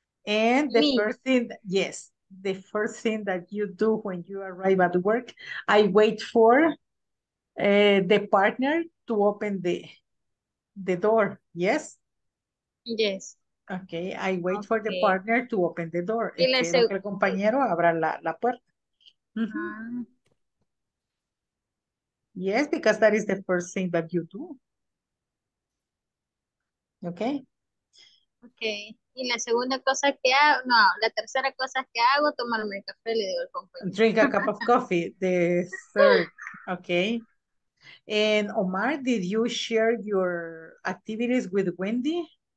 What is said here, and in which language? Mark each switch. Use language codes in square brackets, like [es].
[en] The first thing that you do when you arrive at work, I wait for the partner to open the door. Yes? Yes. Okay, I wait for the partner to open the door. [es] Y la espero que el compañero abra la puerta. Uh-huh. [en] Yes, because that is the first thing that you do. Okay. [es] Okay, y la segunda cosa que hago, no, la tercera cosa que hago, tomarme el café, le digo al compañero. [en] Drink a cup of coffee, the third, okay. And Omar, did you share your activities with Wendy?